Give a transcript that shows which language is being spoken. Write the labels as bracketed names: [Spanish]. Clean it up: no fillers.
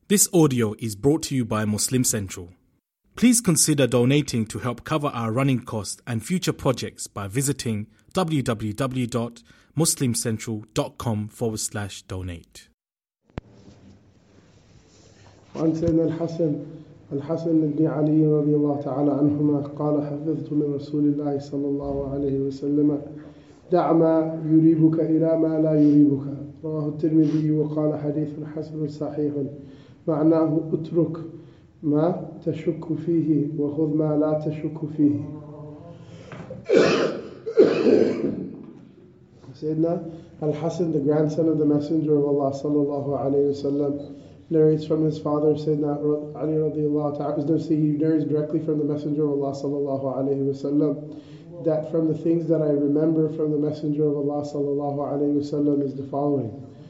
[English] This audio is brought to you by Muslim Central. Please consider donating to help cover our running costs and future projects by visiting www.muslimcentral.com/donate. [Arabic] وعن سيدنا الحسن بن علي رضي الله تعالى عنهما قال حفظت من رسول الله صلى الله عليه وسلم دع ما يريبك إلى ما لا يريبك. رواه الترمذي وقال حديث حسن صحيح معناه اترك ما تشك فيه وخذ ما لا تشك فيه. [English] Sayyidina Al-Hasan, the grandson of the Messenger of Allah sallallahu alayhi wa sallam, narrates from his father Sayyidina Ali radiallahu ta'ala, he narrates directly from the Messenger of Allah sallallahu alayhi wa sallam, that from the things that I remember from the Messenger of Allah sallallahu alayhi wa sallam is the following.